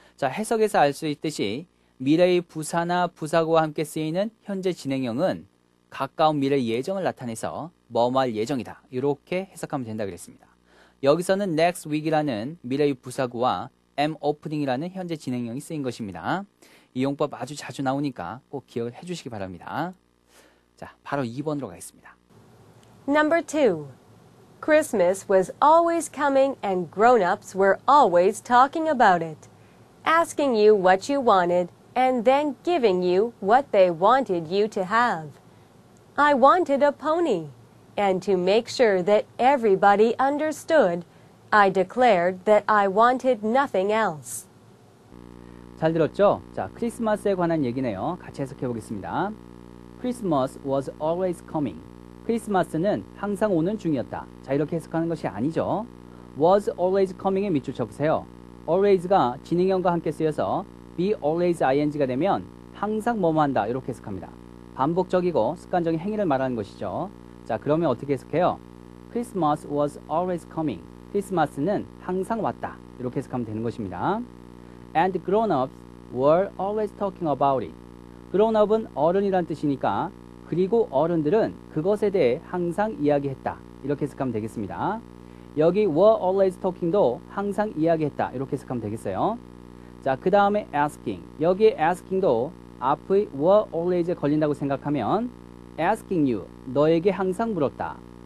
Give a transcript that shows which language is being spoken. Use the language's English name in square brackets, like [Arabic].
[Korean] 자, 해석에서 알 수 있듯이 미래의 부사나 부사구와 함께 쓰이는 현재 진행형은 가까운 미래의 예정을 나타내서 뭐뭐할 예정이다. 이렇게 해석하면 된다 그랬습니다. 여기서는 [English] next week [Korean] 이라는 미래의 부사구와 [English] am opening [Korean] 이라는 현재 진행형이 쓰인 것입니다. 이 용법 아주 자주 나오니까 꼭 기억을 해주시기 바랍니다. 자, 바로 2번으로 가겠습니다. [English] Number two, Christmas was always coming and grown-ups were always talking about it, asking you what you wanted and then giving you what they wanted you to have. I wanted a pony, and to make sure that everybody understood, I declared that I wanted nothing else. [Korean] 잘 들었죠? 자, 크리스마스에 관한 얘기네요. 같이 해석해 보겠습니다. [English] Christmas was always coming. [Korean] 크리스마스는 항상 오는 중이었다. 자, 이렇게 해석하는 것이 아니죠. [English] was always coming [Korean] 에 밑줄 쳐보세요. always가 진행형과 함께 쓰여서 be always ing가 되면 항상 뭐뭐 한다. 이렇게 해석합니다. 반복적이고 습관적인 행위를 말하는 것이죠. 자, 그러면 어떻게 해석해요? [English] Christmas was always coming. [Korean] 크리스마스는 항상 왔다. 이렇게 해석하면 되는 것입니다. [English] And grown-ups were always talking about it. [Korean] grown-up은 어른이란 뜻이니까 그리고 어른들은 그것에 대해 항상 이야기했다. 이렇게 해석하면 되겠습니다. 여기 [English] were always talking [Korean] 도 항상 이야기했다. 이렇게 해석하면 되겠어요. 자, 그 다음에 asking. 여기 asking도 앞의 were always에 걸린다고 생각하면 [English] asking you, [Korean] 너에게 항상 물었다.